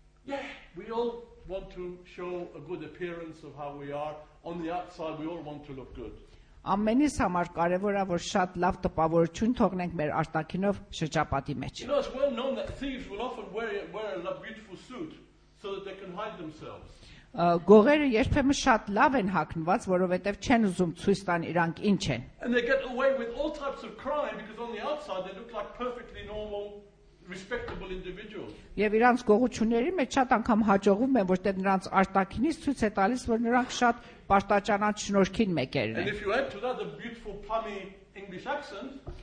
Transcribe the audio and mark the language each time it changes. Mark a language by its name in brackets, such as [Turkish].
[English] Yeah, we all want to show a good appearance of how we are on the outside. We all want to look good. [Armenian] Ամենից համար կարևորը որ շատ լավ տպավորություն թողնենք մեր արտաքինով շրջապատի մեջ։ [English] You know, it's well known that thieves will often wear a beautiful suit so that they can hide themselves. [Armenian] Գողերը երբեմն շատ լավ են հագնված, որովհետև չեն ուզում ցույց տան իրանք ինչ են։ [English] And they get away with all types of crime because on the outside they look like perfectly normal, respectable individuals. [Armenian] Եվ իրանց գողությունների մեջ շատ անգամ հաջողվում են, որտեղ նրանց արտաքինից ցույց է տալիս, որ նրանք շատ պարտաճանաչ շնորհքին մեկեր են։ [English] And if you add to that the beautiful plummy English accent,